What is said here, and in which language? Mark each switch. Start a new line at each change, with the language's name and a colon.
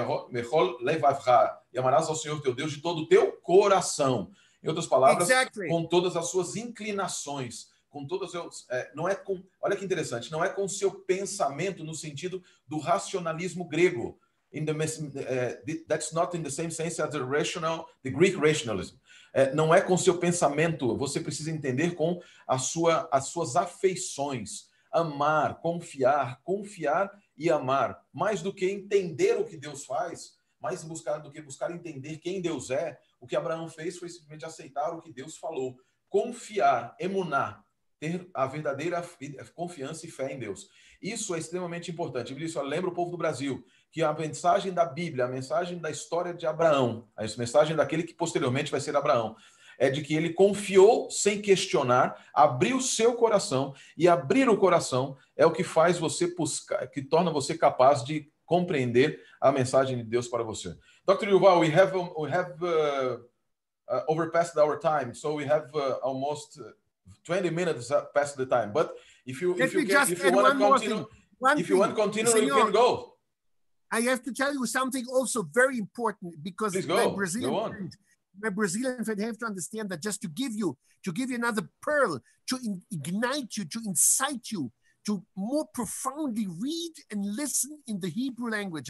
Portuguese: Mechol Levavcha, e amarás ao Senhor teu Deus de todo o teu coração. Em outras palavras, exactly, com todas as suas inclinações, com todas as suas, não é com, olha que interessante, não é com o seu pensamento no sentido do racionalismo grego.
English: In the, that's not in the same sense as the rational, the Greek rationalism.
Portuguese: Não é com seu pensamento, você precisa entender com a sua, as suas afeições. Amar, confiar, confiar e amar. Mais do que entender o que Deus faz, mais buscar, do que buscar entender quem Deus é, o que Abraão fez foi simplesmente aceitar o que Deus falou. Confiar, emunar, ter a verdadeira confiança e fé em Deus. Isso é extremamente importante. Eu disse, lembra o povo do Brasil, que a mensagem da Bíblia, a mensagem da história de Abraão, a mensagem daquele que posteriormente vai ser Abraão, é de que ele confiou sem questionar, abriu seu coração, e abrir o coração é o que faz você buscar, que torna você capaz de compreender a mensagem de Deus para você.
English: Dr. Yuval, we have overpassed our time, so we have almost 20 minutes past the time, but if you want to continue, Senor, you can go. I have to tell you something also very important, because my Brazilian friend have to understand that, just to give you another pearl, to ignite you, to incite you to more profoundly read and listen in the Hebrew language.